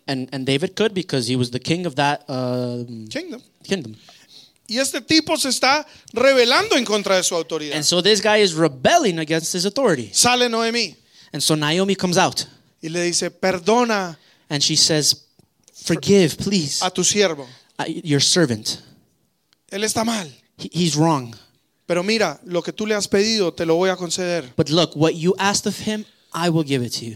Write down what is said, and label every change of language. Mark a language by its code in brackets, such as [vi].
[en] And David could because he was the king of that kingdom. [es] Y este tipo se está rebelando en contra de su autoridad. [en] And so this guy is rebelling against his authority. [es] Sale Noemí. [en] And so Naomi comes out. [es] Y le dice, perdona. [en] And she says, forgive, please. [es] A tu siervo. [en] Your servant. [es] Él está mal. [en] He's wrong. [es] Pero mira, lo que tú le has pedido, te lo voy a conceder. [en] But look, what you asked of him, I will give it to you.